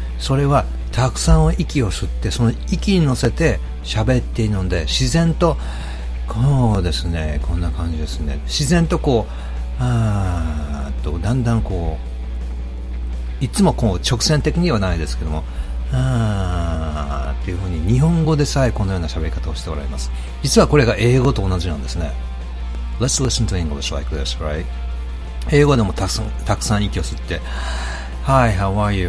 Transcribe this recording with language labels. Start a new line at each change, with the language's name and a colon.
Japanese: それはたくさん息を吸って、その息に乗せて喋っているので、自然とこうですね、こんな感じですね、自然とこうだんだんこう、いつもこう直線的にはないですけども、っていう風に日本語でさえこのような喋り方をしておられます。実はこれが英語と同じなんですね。
English: Let's listen to English like this, right?
Japanese: 英語でもたくさん息を吸って、
English: Hi, how are you?